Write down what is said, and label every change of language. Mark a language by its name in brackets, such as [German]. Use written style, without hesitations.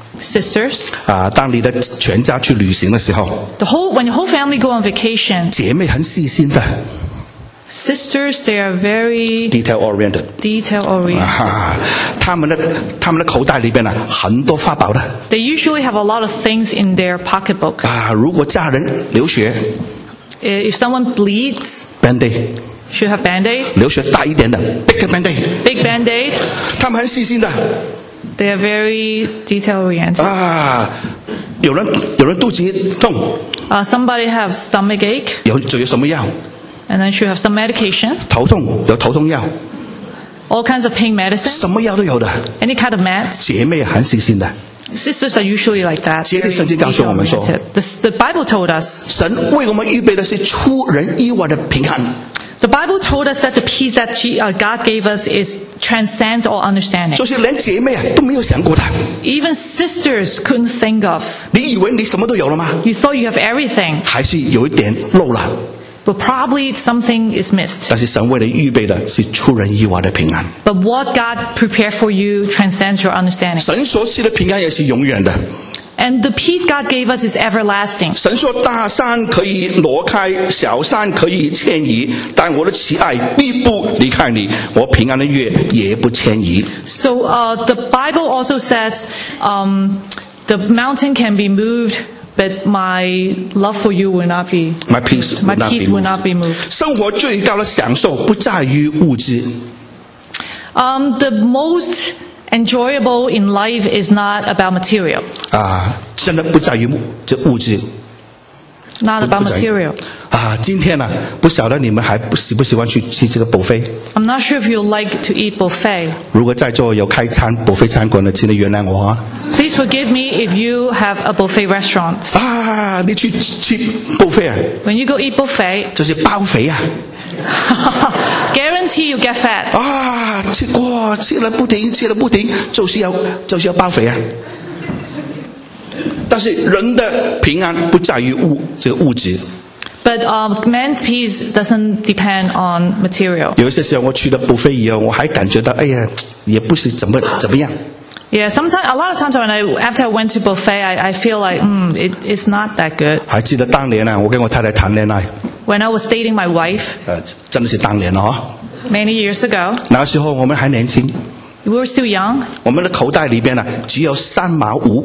[English] Sisters. [Chinese] 当你的全家去旅行的时候。 [English] When your whole family go on vacation. [Chinese] 姐妹很细心的。 [English] Sisters, they are very detail oriented. Detail oriented. [Chinese] 他们的口袋里边呢，很多法宝的。 [English] They usually have a lot of things in their pocketbook. [Chinese] 如果家人流血。 [English] If someone bleeds. Band-aid. Should have band-aid. [Chinese] 流血大一点的 ， [English] big band-aid. Big band-aid. [Chinese] 他们很细心的。 [English] They are very detail-oriented. [Chinese] 有人肚子痛。 [English] Somebody have stomach ache. [Chinese] 有什么药 [English] ？And then should have some medication. [Chinese] 头痛有头痛药。 [English] All kinds of pain medicine. [Chinese] 什么药都有的。 [English] Any kind of meds. [Chinese] 姐妹很细心的。 [English] Sisters are usually like that. [Chinese] 其实圣经告诉我们说 [English] ，The Bible told us. [Chinese] 神为我们预备的是出人意外的平安。 [English] The Bible told us that the peace that God gave us is transcends all understanding. [Chinese] 就是连姐妹啊都没有想过的。 [English] Even sisters couldn't think of. [Chinese] 你以为你什么都有了吗？ [English] You thought you have everything. [Chinese] 还是有一点漏了。 [English] But probably something is missed. [Chinese] 但是神为你预备的是出人意外的平安。 [English] But what God prepared for you transcends your understanding. [Chinese] 神所赐的平安也是永远的。 [English] And the peace God gave us is everlasting. [Chinese] 神说大山可以挪开，小山可以迁移，但我的慈爱必不离开你，我平安的约也不迁移。 [English] So, the Bible also says, the mountain can be moved, but my love for you will not be. My peace will not be moved. [Chinese] 生活最高的享受不在于物质。 [English] The most enjoyable in life is not about material. [Chinese] 啊，真的不在于这物质。 [English] Not about material. [Chinese] 啊，今天呢，不晓得你们还喜不喜欢去这个 buffet. [English] I'm not sure if you like to eat buffet. [Chinese] 如果在座有开餐 buffet 餐馆的，请你原谅我啊。 [English] Please forgive me if you have a buffet restaurant. [Chinese] 啊，你去 buffet 啊。 [English] When you go eat buffet. [Chinese] 就是包肥啊。 [English] Guarantee you get fat. [Chinese] 啊，吃过，吃了不停，吃了不停，就是要包肥啊。但是人的平安不在于物这个物质。 [English] But man's peace doesn't depend on material. [Chinese] 有些时候我去了buffet以后，我还感觉到哎呀，也不是怎么样。 [English] Yeah, sometimes a lot of times when after I went to buffet, I feel like it's not that good. [Chinese] 还记得当年呢，我跟我太太谈恋爱。 [English] When I was dating my wife. [Chinese] 真的是当年了哈。 [English] Many years ago. [Chinese] 那时候我们还年轻。 [English] We were still young. [Chinese] 我们的口袋里边呢，只有35。